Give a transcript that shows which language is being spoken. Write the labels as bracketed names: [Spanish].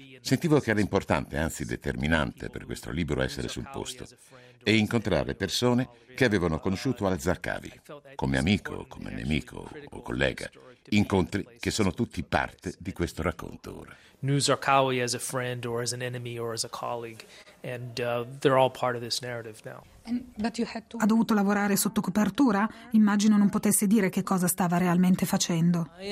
[Italian] Sentivo che era importante, anzi determinante, per questo libro essere sul posto e incontrare persone che avevano conosciuto al-Zarqawi, come amico, come nemico o collega. Incontri che sono tutti parte di questo racconto ora. [English] Al-Zarqawi as a friend or as an enemy or as a colleague. And they're all part of this narrative now. [Italian] Ha dovuto lavorare sotto copertura? Immagino non potesse dire che cosa stava realmente facendo.